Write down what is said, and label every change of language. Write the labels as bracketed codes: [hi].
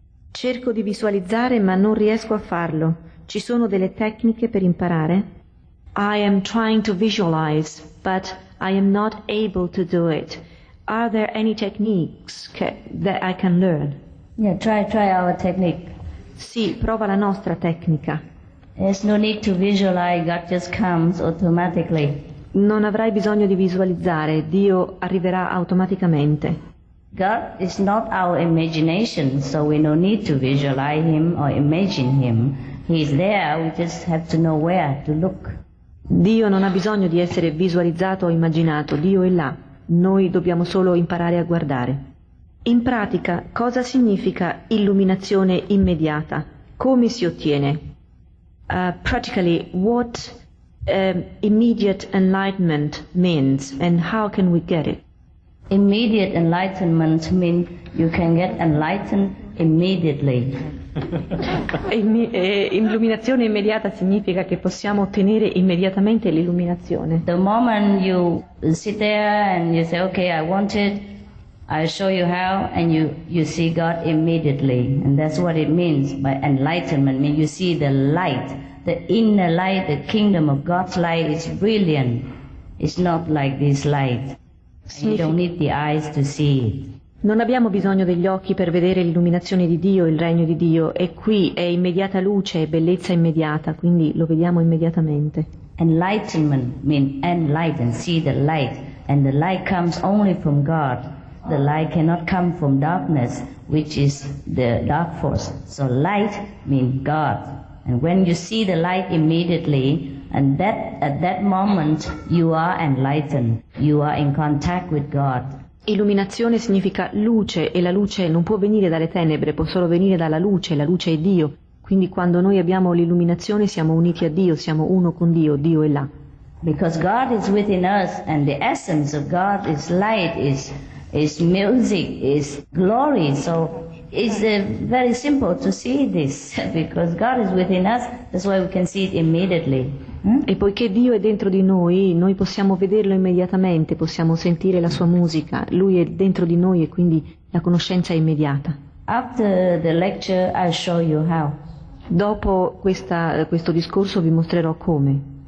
[it] Cerco di visualizzare, ma non riesco a farlo. Ci sono delle tecniche per imparare? [en] I am trying to visualize, but I am not able to do it. Are there any techniques that I can learn? Yeah, try our technique. [it] Sì, prova la nostra tecnica. [en] There's no need to visualize, God just comes automatically. [it] Non avrai bisogno di visualizzare, Dio arriverà automaticamente. [en] God is not our imagination, so we no need to visualize him or imagine him. He is there, we just have to know where to look. [it] Dio non ha bisogno di essere visualizzato o immaginato, Dio è là. Noi dobbiamo solo imparare a guardare. In pratica, cosa significa illuminazione immediata? Come si ottiene? [en] Practically, what immediate enlightenment means and how can we get it? Immediate enlightenment means you can get enlightened immediately. [it] Illuminazione immediata significa che possiamo ottenere immediatamente l'illuminazione. [en] The moment you sit there and you say, okay, I want it, I'll show you how, and you see God immediately. And that's what it means by enlightenment. Means you see the light, the inner light, the kingdom of God's light is brilliant. It's not like this light. You don't need the eyes to see it. [it] Non abbiamo bisogno degli occhi per vedere l'illuminazione di Dio, il regno di Dio. È qui, è immediata luce, è bellezza immediata, quindi lo vediamo immediatamente. [en] Enlightenment means enlighten, see the light. And the light comes only from God. The light cannot come from darkness, which is the dark force. So light means God. And when you see the light immediately, and that at that moment you are enlightened, you are in contact with God. [it] Illuminazione significa luce e la luce non può venire dalle tenebre, può solo venire dalla luce, la luce è Dio. Quindi quando noi abbiamo l'illuminazione siamo uniti a Dio, siamo uno con Dio, Dio è là. [en] Because God is within us and the essence of God is light, is music, is glory. So it's very simple to see this because God is within us, that's why we can see it immediately. [it] E poiché Dio è dentro di noi, noi possiamo vederlo immediatamente, possiamo sentire la sua musica. Lui è dentro di noi e quindi la conoscenza è immediata. [en] After the lecture, I'll show you how. [it] Dopo questo discorso vi mostrerò come.